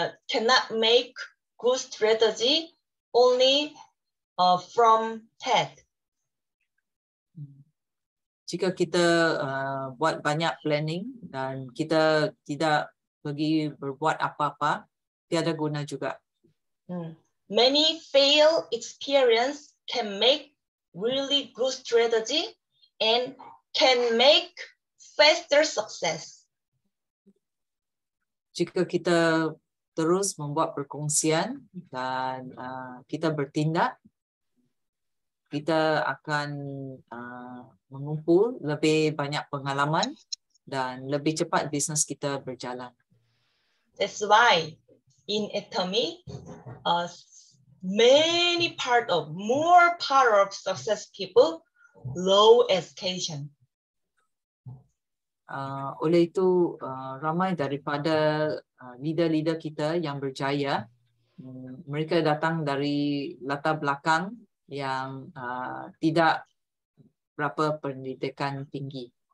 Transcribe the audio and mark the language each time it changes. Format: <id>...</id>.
<en>Cannot make good strategy only from head.</en> <ms>Jika kita buat banyak planning dan kita tidak pergi berbuat apa-apa, tiada guna juga.</ms> <en>Many fail experience can make really good strategy and can make faster success.</en> <ms>Jika kita terus membuat perkongsian dan kita bertindak, kita akan mengumpul lebih banyak pengalaman dan lebih cepat bisnes kita berjalan.</ms> <en>That's why in Atomy, many part of, more part of success people, low education.</en> <ms>Oleh itu, ramai daripada leader-leader kita yang berjaya, mereka datang dari latar belakang yang tidak berapa pendidikan tinggi.</ms>